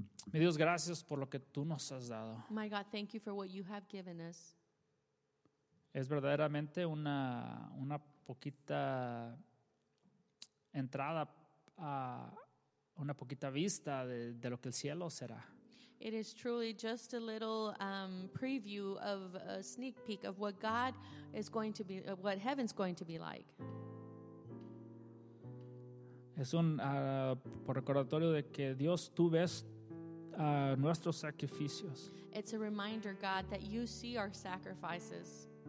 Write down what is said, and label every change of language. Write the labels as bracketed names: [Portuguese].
[Spanish] Mi Dios, gracias por lo que tú nos has dado. [English] My God, thank you for what you have given us. [Spanish] Es verdaderamente una poquita entrada a una poquita vista de lo que el cielo será. [English] It is truly just a little preview of a sneak peek of what God is going to be, what heaven's going to be like. [Spanish] Es un recordatorio de que Dios, tú ves nuestros sacrificios. [English] It's a reminder, God, that you see our sacrifices.